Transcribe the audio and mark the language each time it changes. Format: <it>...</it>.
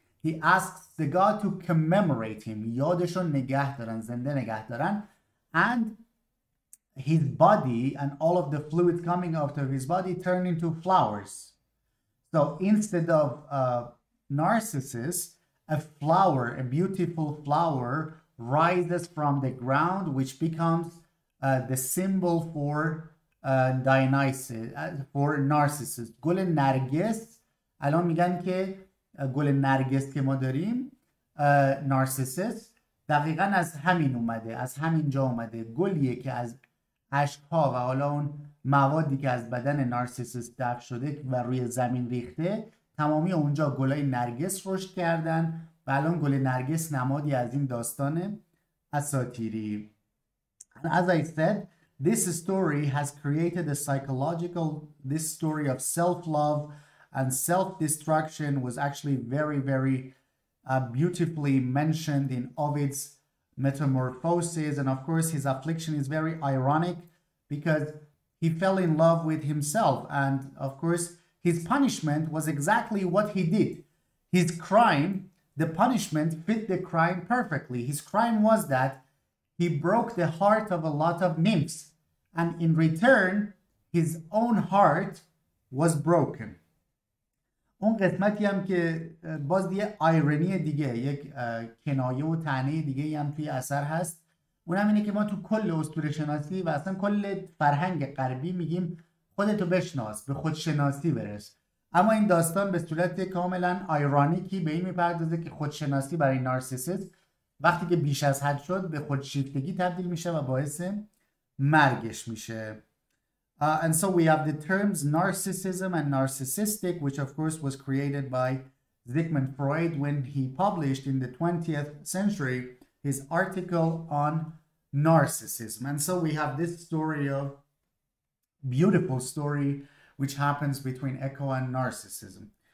<en>He asks the god to commemorate him,</en> <fa>yadeshon negah daran, zinde negah daran,</fa> <en>and his body and all of the fluid coming out of his body turn into flowers. So instead of Narcissus, a flower, a beautiful flower, rises from the ground, which becomes the symbol for Dionysus, for Narcissus.</en> <fa>گل نرگس الان میگن که گل نرگس که ما داریم نارسیسس دقیقا از همین اومده، از همین جا اومده، گلیه که از اشکها و حالا اون موادی که از بدن نارسیسس دفع شده و روی زمین ریخته، تمامی اونجا گلای نرگس رشد کردن و الان گل نرگس نمادی از این داستان اساطیری.</fa> <en>As I said, this story has created a psychological, this story of self-love and self-destruction was actually very, very beautifully mentioned in Ovid's Metamorphoses. And of course, his affliction is very ironic because he fell in love with himself. And of course, his punishment was exactly what he did. His crime, the punishment fit the crime perfectly. His crime was that he broke the heart of a lot of nymphs. And in return, his own heart was broken.</en> <fa>اون قسمتی هم که باز یه آیرنی دیگه، یک کنایه و طعنه دیگه هم توی اثر هست، اونم اینه که ما تو کل اسطوره شناسی و اصلا کل فرهنگ غربی میگیم خودتو بشناس، به خودشناسی برس. اما این داستان به صورت کاملا آیرانیکی به این میپردازه که خودشناسی برای نارسیسیسم وقتی که بیش از حد شد به خودشیفتگی تبدیل میشه و باعث مرگش میشه.</fa> <en>And so we have the terms narcissism and narcissistic, which of course was created by Sigmund Freud when he published in the 20th century his article on narcissism. And so we have this story of beautiful story which happens between Echo and narcissism.</en>